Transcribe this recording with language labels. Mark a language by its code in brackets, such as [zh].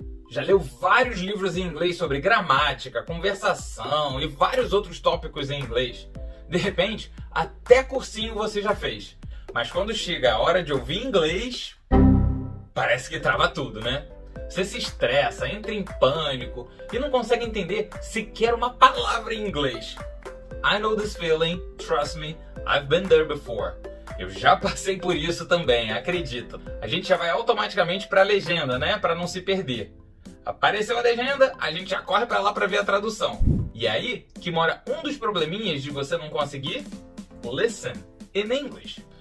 [pt] Já leu vários livros em inglês sobre gramática, conversação e vários outros tópicos em inglês. De repente, até cursinho você já fez. Mas quando chega a hora de ouvir inglês, parece que trava tudo, né? Você se estressa, entra em pânico e não consegue entender sequer uma palavra em inglês. [en] I know this feeling, trust me, I've been there before. [pt] Eu já passei por isso também, acredito. A gente já vai automaticamente para a legenda, né? Para não se perder. Apareceu a legenda, a gente já corre para lá para ver a tradução. E aí que mora um dos probleminhas de você não conseguir [en] listen in English.